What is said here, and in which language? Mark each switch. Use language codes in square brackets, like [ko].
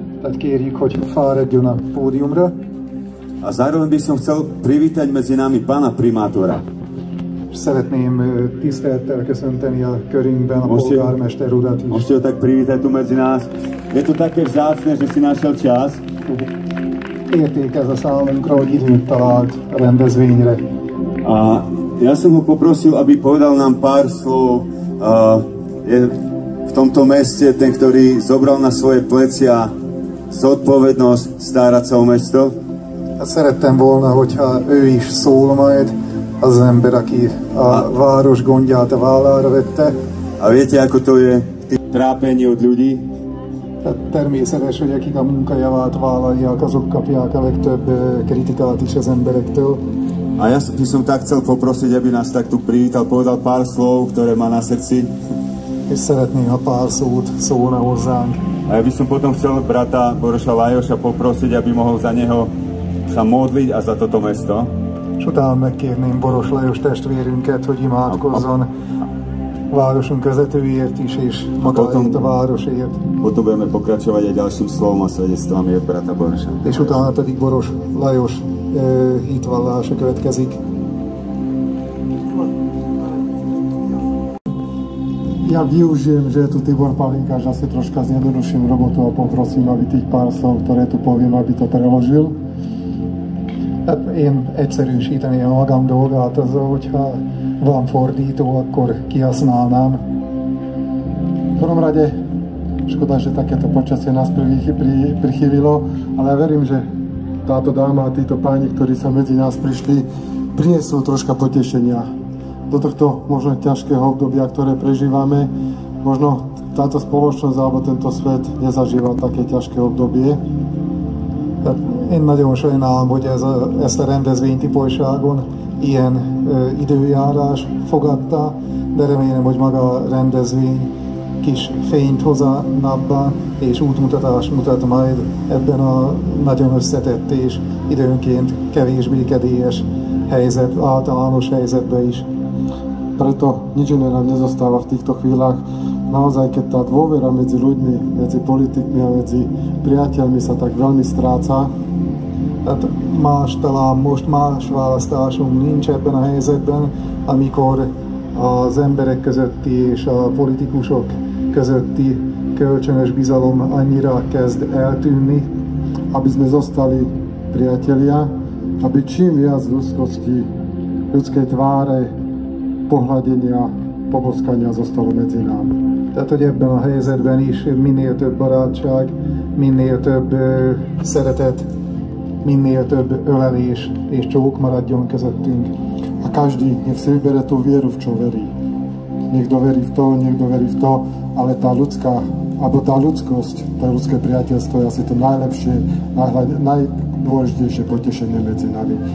[hu] Tehát kérjük, hogy fáradjon a pódiumra. [sk] A zároveň by som chcel privítať medzi nami pána primátora. [hu] Szeretném tisztelettel köszönteni a körünkben a polgármester urat is. [sk] Most jó, tak privítaj tu medzi nás. Je to také vzácne, že si našiel čas. [hu] Érték ez a számunkra, hogy időt talált a rendezvényre. [sk] A ja som ho poprosil, aby povedal nám pár slov. Je v tomto meste ten, ktorý zobral na svoje plecia zodpovednosť starať sa o mesto. [hu] Hát szerettem volna, hogyha ő is szól majd, az ember, aki a város gondját a vállára vette. [sk] A viete, ako to je, trápenie od ľudí? [hu] Hát természetes, hogy akik a munkajavát vállalják, azok kapják a legtöbb kritikát is az emberektől. [sk] A ja by som tak chcel poprosiť, aby nás tak tu privítal, povedal pár slov, ktoré má na srdci. [hu] És szeretném, ha pár szót szólna hozzánk. [sk] A ja by som potom chcel brata Boroša Lajosa poprosiť, aby mohol za neho sa modliť a za toto mesto. [hu] És utána megkérném Boroš Lajos testvérünket, hogy imádkozzon városunk vezetőért is, és magáért a városért. [sk] Potom budeme pokračovať egy ďalším slovom a svedectvamért brata Borosa. [hu] És utána pedig Boroš Lajos hitvallása következik. [sk] Ja využijem, že je tu Tibor Pavlinka, že asi troška zjednoduším robotu a poprosím, aby tých pár slov, ktoré tu poviem, aby to preložil. [hu] Hát én egyszerűsíteni a magam dolgát az, hogyha van fordító, akkor kihasználnám. [sk] V prvom rade, škoda, že takéto počasie nás prichýlilo, ale ja verím, že táto dáma a títo páni, ktorí sa medzi nás prišli, prinesú troška potešenia do tohto možno ťažkého obdobia, ktoré prežívame. Možno táto spoločnosť alebo tento svet nezažíva také ťažké obdobie. [hu] Én nagyon sajnálom, hogy ezt a rendezvénytipolyságon ilyen időjárás fogadta, de remélem, hogy maga a rendezvény kis fényt hoz a napban, és útmutatást mutat majd ebben a nagyon összetett és időnként kevésbé kedélyes helyzet, általános helyzetben is. [sk] Preto nič iné nám nezostáva v týchto chvíľach. Naozaj, keď tá dôvera medzi ľuďmi, medzi politikmi a medzi priateľmi sa tak veľmi stráca, [hu] hát más talán most más választásunk nincs ebben a helyzetben, amikor az emberek közötti és a politikusok közötti kölcsönös bizalom annyira kezd eltűnni, [sk] aby sme zostali priatelia, aby čím viac ľudskosti, ľudskej tváre, pohľadenia, poboskania zostalo medzi nám. [hu] Tehát, hogy ebben a helyzetben is minél több barátság, minél több szeretet, minél több ölelés és csók maradjon közöttünk. [sk] A každý nech si vybere tú vieru, v čo verí. Niekto verí v to, niekto verí v to, ale tá ľudská, alebo tá ľudskosť, tá ľudské priateľstvo je asi to najlepšie, najdôležitejšie potešenie medzi nami.